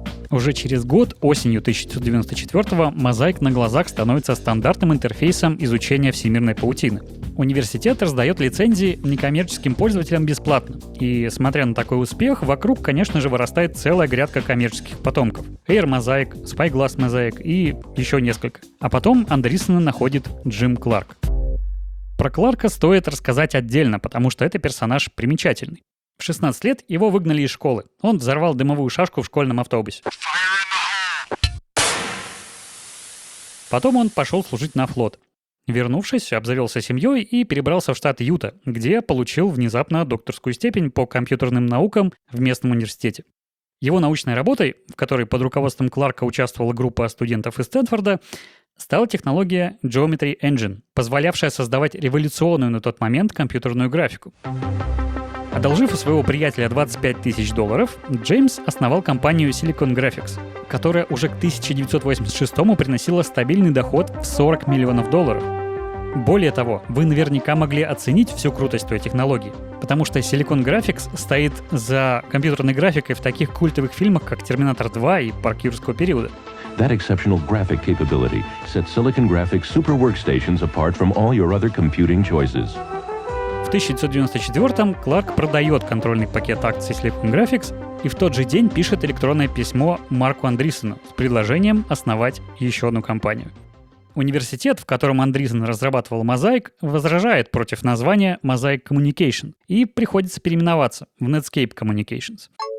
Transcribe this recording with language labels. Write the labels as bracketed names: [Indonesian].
[Russian] Уже через год, осенью 1994-го, Mosaic на глазах становится стандартным интерфейсом изучения всемирной паутины. Университет раздает лицензии некоммерческим пользователям бесплатно. И, смотря на такой успех, вокруг, конечно же, вырастает целая грядка коммерческих потомков. Air Mosaic, Spyglass Mosaic и еще несколько. А потом Андрисона находит Джим Кларк. Про Кларка стоит рассказать отдельно, потому что это персонаж примечательный. В 16 лет его выгнали из школы. Он взорвал дымовую шашку в школьном автобусе. Потом он пошел служить на флот. Вернувшись, обзавелся семьей и перебрался в штат Юта, где получил внезапно докторскую степень по компьютерным наукам в местном университете. Его научной работой, в которой под руководством Кларка участвовала группа студентов из Стэнфорда, стала технология Geometry Engine, позволявшая создавать революционную на тот момент компьютерную графику. Одолжив у своего приятеля $25 000, Джеймс основал компанию Silicon Graphics, которая уже к 1986-му приносила стабильный доход в $40 миллионов. Более того, вы наверняка могли оценить всю крутость той технологии, потому что Silicon Graphics стоит за компьютерной графикой в таких культовых фильмах, как «Терминатор 2» и «Парк Юрского периода». [English] That exceptional graphic capability set Silicon Graphics super workstations apart from all your other computing choices. [Russian] В 1994-м Кларк продает контрольный пакет акций Silicon Graphics и в тот же день пишет электронное письмо Марку Андрисону с предложением основать еще одну компанию. Университет, в котором Андрисон разрабатывал Mosaic, возражает против названия Mosaic Communication и приходится переименоваться в Netscape Communications.